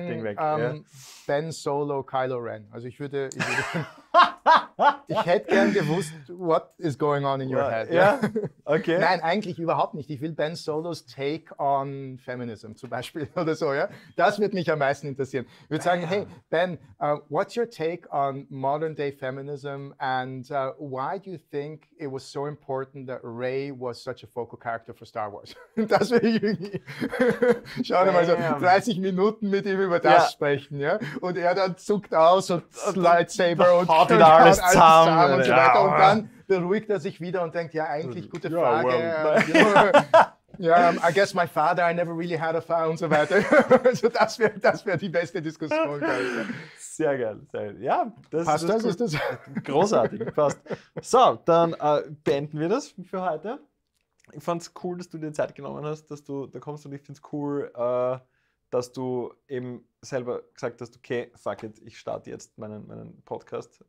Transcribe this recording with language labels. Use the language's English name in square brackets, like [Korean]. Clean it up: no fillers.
[German] das Ding weg. Ben Solo, Kylo Ren. Also ich würde ich hätte gern gewusst, [English] what is going on in your head. Yeah. Okay. [German] Nein, eigentlich überhaupt nicht. Ich will Ben Solos [English] Take on Feminism [German] zum Beispiel oder so. Ja? Das würde mich am meisten interessieren. Ich würde sagen, [English] hey, Ben, what's your take on modern day feminism and why do you think it was so important that Rey was such a focal character for Star Wars? [German] Das würde ich irgendwie... Schau dir mal so 30 Minuten mit ihm über das sprechen. Ja? Und er dann zuckt aus und Lightsaber und... Haut wieder alles zusammen und so weiter. Und dann beruhigt er sich wieder und denkt, ja, eigentlich, gute Frage. [English] Ja, I guess my father, I never really had a father [German] und so weiter. Also das wär die beste Diskussion. Sehr geil. Ja, das passt, das ist das. Großartig, passt. So, dann beenden wir das für heute. Ich fand es cool, dass du dir Zeit genommen hast, dass du da kommst und ich finde es cool, dass du eben selber gesagt hast, okay, fuck it, ich starte jetzt meinen Podcast.